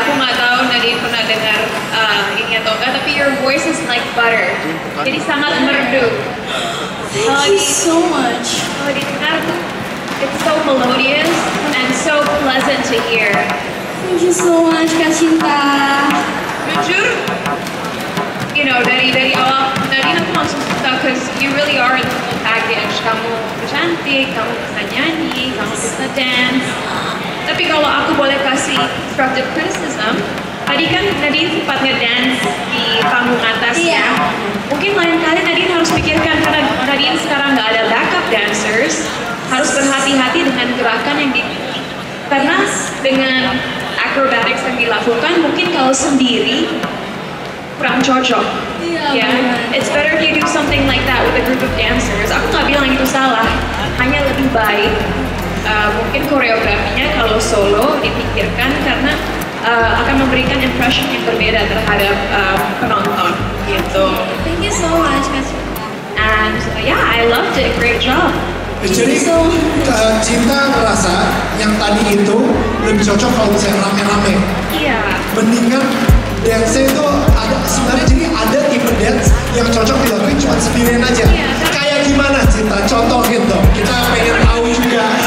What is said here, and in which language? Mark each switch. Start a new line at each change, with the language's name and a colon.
Indonesian: Aku nggak tahu Nadine pernah dengar ini atau enggak. Tapi
English: your voice is like butter.
Indonesian: Jadi sangat merdu.
English: Thank you so much.
Indonesian: Kalau didengar tuh,
English: it's so melodious and so pleasant to hear. Thank you so much, Kak Cinta.
Indonesian: Jujur,
English: you know,
Indonesian: dari awal,
English: Nadine
Indonesian: aku langsung suka,
English: because you really are in the full package.
Indonesian: Kamu cantik, kamu bisa nyanyi, kamu bisa dance. Tapi kalau aku boleh kasih constructive criticism, tadi kan Nadine sempat ngedance di panggung atas,
English: yeah.
Indonesian: Ya? Mungkin lain kali Nadine harus pikirkan, karena Nadine sekarang gak ada backup dancers, harus berhati-hati dengan gerakan yang di... Karena dengan acrobatics yang dilakukan, mungkin kalau sendiri kurang cocok. Iya,
English: yeah. It's better if you do something like that with a group of dancers.
Indonesian: Aku gak bilang itu salah, hanya lebih baik mungkin koreografinya kalau solo dipikirkan, karena akan memberikan impression yang berbeda terhadap penonton gitu.
English: Thank you so much, Kak Cinta. And yeah, I loved it, great job.
Indonesian: Jadi Cinta merasa yang tadi itu lebih cocok kalau misalnya rame-rame. Iya. Mendingan dance itu ada sebenarnya, jadi ada tipe dance yang cocok dilakuin cuma sendirian aja. Iya. Kayak gimana Cinta? Contohin dong. Kita pengen tahu juga.